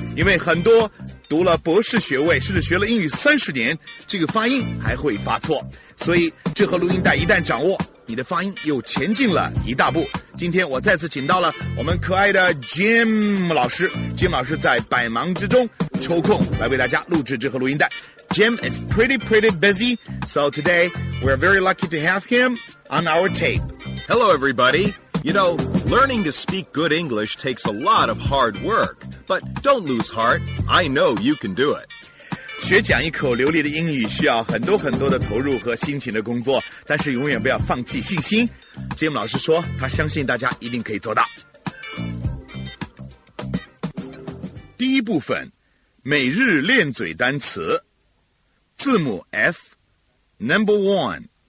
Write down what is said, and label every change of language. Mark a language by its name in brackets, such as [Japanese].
[Chinese] 因为很多读了博士学位，甚至学了英语三十年，这个发音还会发错。所以，这盒录音带一旦掌握，你的发音又前进了一大步。今天我再次请到了我们可爱的 Jim 老师， Jim 老师在百忙之中抽空来为大家录制这盒录音带。 [English] Jim is pretty busy, so today we're very lucky to have him on our tape. Hello everybody. You know, learning to speak good English takes a lot of hard work, but don't lose heart. I know you can do it. [Chinese] 学讲一口流利的英语需要很多很多的投入和辛勤的工作，但是永远不要放弃信心。 Jim 老师说，他相信大家一定可以做到。第一部分，每日练嘴单词，字母 F， [English] Number One，